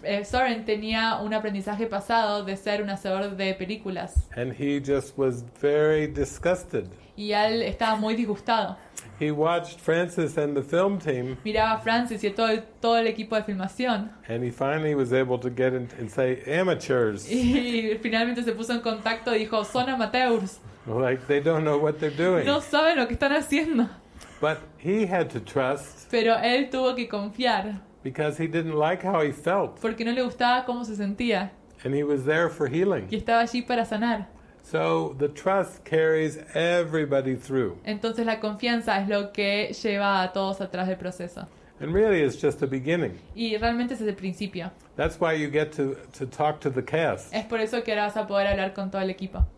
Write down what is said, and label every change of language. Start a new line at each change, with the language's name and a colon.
Spanish: Soren tenía un aprendizaje pasado de ser un hacedor de películas.
English: And he just was very disgusted.
Spanish: Y él estaba muy disgustado.
English: He watched Francis and the film team.
Spanish: Miraba a Francis y a todo el equipo de filmación.
English: And he finally was able to get in and say amateurs.
Spanish: Y finalmente se puso en contacto y dijo son amateurs.
English: Like they don't know what they're doing.
Spanish: No saben lo que están haciendo.
English: But he had to trust.
Spanish: Pero él tuvo que confiar.
English: Because he didn't like how he felt.
Spanish: Porque no le gustaba cómo se sentía.
English: And he was there for healing.
Spanish: Y estaba allí para sanar.
English: So the trust carries everybody through.
Spanish: Entonces la confianza es lo que lleva a todos atrás del proceso.
English: And really it's just the beginning.
Spanish: Y realmente es el principio.
English: That's why you get to talk to the cast.
Spanish: Es por eso que ahora vas a poder hablar con todo el equipo.